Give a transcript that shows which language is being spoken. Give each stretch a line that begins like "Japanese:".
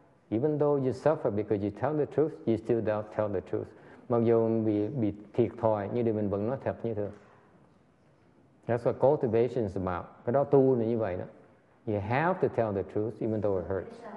English: Even though you suffer because you tell the truth, you still don't tell the truth.
Vietnamese: Mặc dù bị thiệt thòi như thì mình vẫn nói thật như thường.
English: That's what cultivation is about.
Vietnamese: Cái đó tu là như vậy đó.
English: You have to tell the truth even though it hurts.